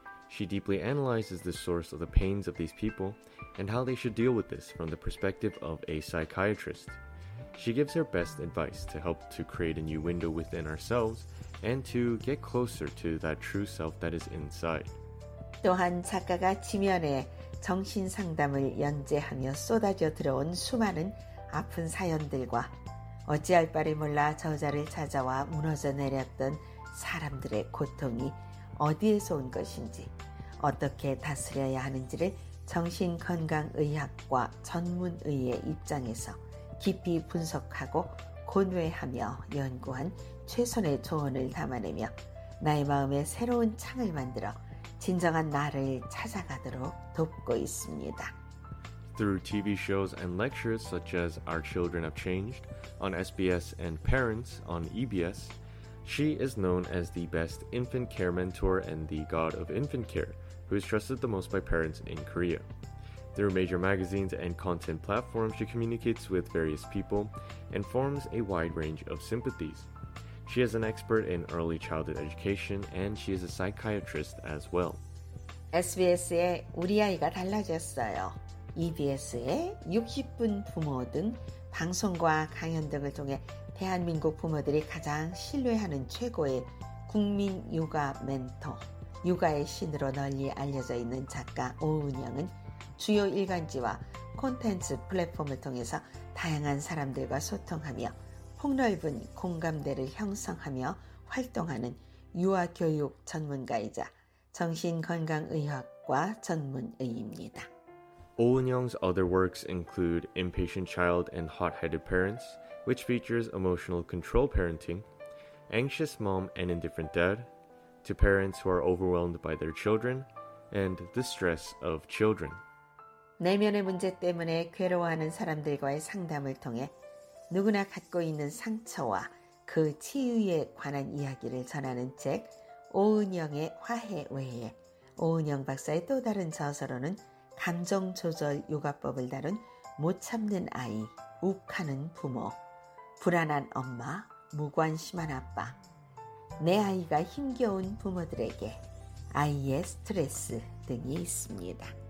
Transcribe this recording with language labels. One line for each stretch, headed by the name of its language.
English: She deeply analyzes the source of the pains of these people and how they should deal with this from the perspective of a psychiatrist. She gives her best advice to help to create a new window within ourselves and to get closer to that true self that is inside.
Korean: 또한 작가가 지면에 정신상담을 연재하며 쏟아져 들어온 수많은 아픈 사연들과 어찌할 바를 몰라 저자를 찾아와 무너져 내렸던 사람들의 고통이 어디에서 온 것인지 어떻게 다스려야 하는지를 정신건강의학과 전문의의 입장에서 깊이 분석하고 고뇌하며 연구한 최선의 조언을 담아내며 나의 마음에 새로운 창을 만들어 진정한 나를 찾아가도록 돕고 있습니다.
English: Through TV shows and lectures such as Our Children Have Changed on SBS and Parents on EBS, she is known as the best infant care mentor and the god of infant care, who is trusted the most by parents in Korea. Through major magazines and content platforms, she communicates with various people and forms a wide range of sympathies. She is an expert in early childhood education, and she is a psychiatrist as well.
Korean: SBS의 우리 아이가 달라졌어요. EBS의 60분 부모 등 방송과 강연 등을 통해 대한민국 부모들이 가장 신뢰하는 최고의 국민 육아 멘토, 육아의 신으로 널리 알려져 있는 작가 오은영은 주요 일간지와 콘텐츠 플랫폼을 통해서 다양한 사람들과 소통하며 폭넓은 공감대를 형성하며 활동하는 유아교육 전문가이자 정신건강의학과 전문의입니다.
English: Ouyang's other works include Impatient Child and Hot-Headed Parents, which features emotional control parenting, Anxious Mom and Indifferent Dad, to parents who are overwhelmed by their children, and The Stress of Children.
Korean: 내면의 문제 때문에 괴로워하는 사람들과의 상담을 통해 누구나 갖고 있는 상처와 그 치유에 관한 이야기를 전하는 책 오은영의 화해 외에 오은영 박사의 또 다른 저서로는 감정조절 육아법을 다룬 못 참는 아이, 욱하는 부모, 불안한 엄마, 무관심한 아빠, 내 아이가 힘겨운 부모들에게 아이의 스트레스 등이 있습니다.